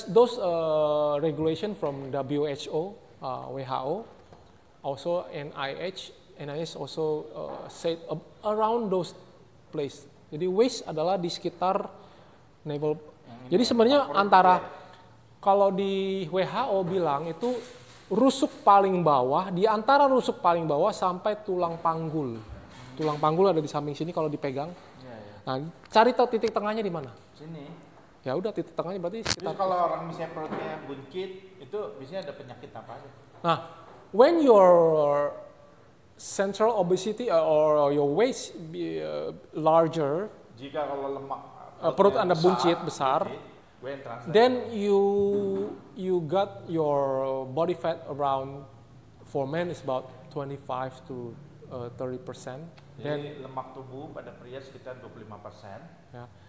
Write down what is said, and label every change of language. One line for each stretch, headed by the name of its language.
English: Those regulation from WHO, WHO, also NIH, NIH also said around those place.
Indonesian: Jadi waist adalah di sekitar navel. Jadi sebenarnya antara kalau di WHO bilang itu rusuk paling bawah, di antara rusuk paling bawah sampai tulang panggul. Tulang panggul ada di samping sini kalau dipegang. Ya, ya. Nah, cari tahu titik tengahnya di mana? Sini. Ya udah, titik tengahnya berarti sekitar. Jadi kalau orang misalnya perutnya buncit, itu biasanya ada penyakit apa aja?
English: Nah, when your central obesity or your waist be larger,
Indonesian: jika kalau lemak perut Anda buncit besar,
English: then you got your body fat around, for men is about 25 to 30%.
Indonesian: Then lemak tubuh pada pria sekitar 25%.